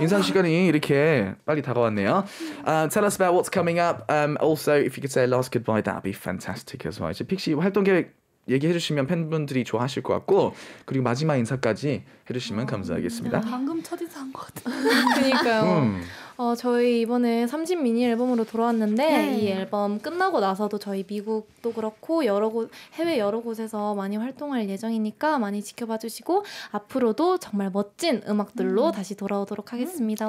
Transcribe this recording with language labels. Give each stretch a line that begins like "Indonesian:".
Korean: 인사 시간이 이렇게 빨리 다가왔네요.
English: Tell us about what's coming up. Also, if you could say a last goodbye, that'd be fantastic as well.
Korean: 이제 픽시 활동 계획 얘기해 주시면 팬분들이 좋아하실 것 같고 그리고 마지막 인사까지 해주시면 감사하겠습니다. 방금 첫 인사한 것 같은데. 그러니까요. 저희 이번에 3집 미니 앨범으로 돌아왔는데 이 앨범 끝나고 나서도 저희 미국도 그렇고 여러 곳 해외 여러 곳에서 많이 활동할 예정이니까 많이 지켜봐주시고 앞으로도 정말 멋진 음악들로 다시 돌아오도록 하겠습니다.